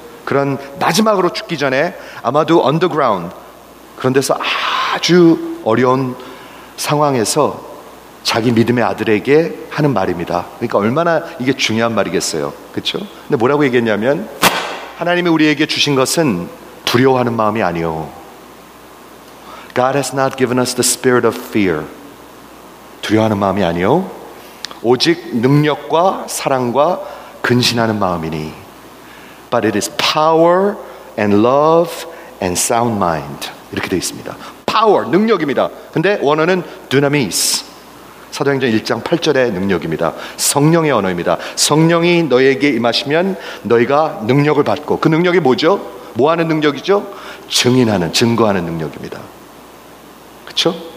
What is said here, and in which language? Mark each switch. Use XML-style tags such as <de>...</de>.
<ko>그런 마지막으로 죽기 전에 아마도 underground, 그런 데서 아주 어려운 상황에서 자기 믿음의 아들에게 하는 말입니다. 그러니까 얼마나 이게 중요한 말이겠어요. 그렇죠? 근데 뭐라고 얘기했냐면 하나님이 우리에게 주신 것은 두려워하는 마음이 아니오.</ko> <en>God has not given us the spirit of fear.</en> <ko>두려워하는 마음이 아니오. 오직 능력과 사랑과 근신하는 마음이니.</ko> <en>But it is power and love and sound mind.</en> <ko>이렇게 되어 있습니다. Power, 능력입니다. 근데 원어는 dunamis. 사도행전 1장 8절의 능력입니다. 성령의 언어입니다. 성령이 너에게 임하시면 너희가 능력을 받고, 그 능력이 뭐죠? 뭐 하는 능력이죠? 증인하는, 증거하는 능력입니다. 그쵸?</ko>